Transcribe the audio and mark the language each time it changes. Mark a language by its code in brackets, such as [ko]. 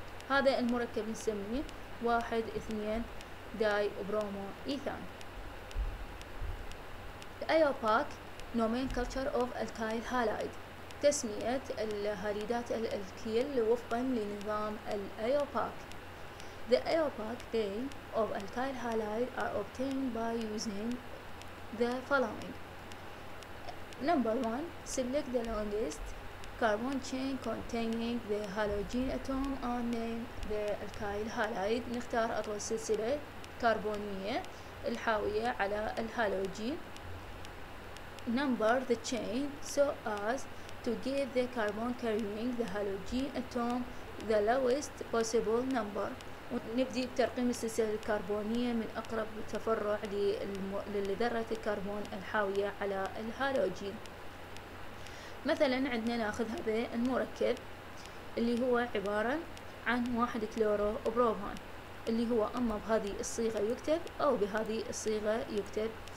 [ar] هذا المركب نسميه 1 2 داي برومو إيثان. [en] الأيوباك nomenclature of alkyl halide, [ar] تسمية الهاليدات الألكيل وفقا لنظام الأيوباك. [en] The Ayopac name of alkyl halide are obtained by using the following. Number 1. Select the longest carbon chain containing the halogen atom and name the alkyl halide. [ar] نختار أطول سلسلة كربونية الحاوية على الهالوجين. [en] Number the chain so as to give the carbon carrying the halogen atom the lowest possible number. [ar] ونبدأ بترقيم السلسلة الكربونية من أقرب تفرع لذرة الكربون الحاوية على الهالوجين. مثلا عندنا ناخذ هذا المركب اللي هو عبارة عن 1 كلورو بروبان، اللي هو أما بهذه الصيغة يكتب أو بهذه الصيغة يكتب.